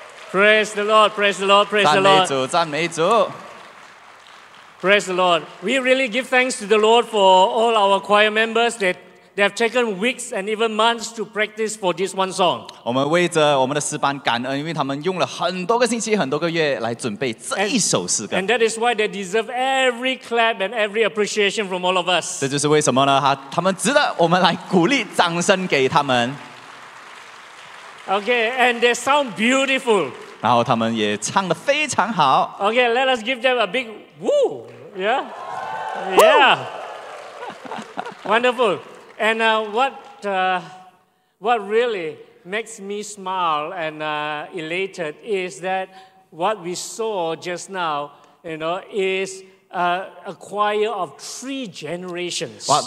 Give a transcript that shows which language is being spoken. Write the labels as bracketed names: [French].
[English] Praise the Lord, praise the Lord, praise the Lord. [Chinese] 赞美主。 [English] Praise the Lord. We really give thanks to the Lord for all our choir members that they have taken weeks and even months to practice for this one song. [Chinese] 我们为着我们的诗班感恩，因为他们用了很多个星期、很多个月来准备这一首诗歌。 [English] And that is why they deserve every clap and every appreciation from all of us. [Chinese] 这就是为什么呢？他们值得我们来鼓励、掌声给他们。 [English] Okay, and they sound beautiful. [Chinese] 然后他们也唱得非常好。 [English] Okay, let us give them a big woo. Yeah. Yeah. Wonderful. And what really makes me smile and elated is that what we saw just now, you know, is a choir of three generations.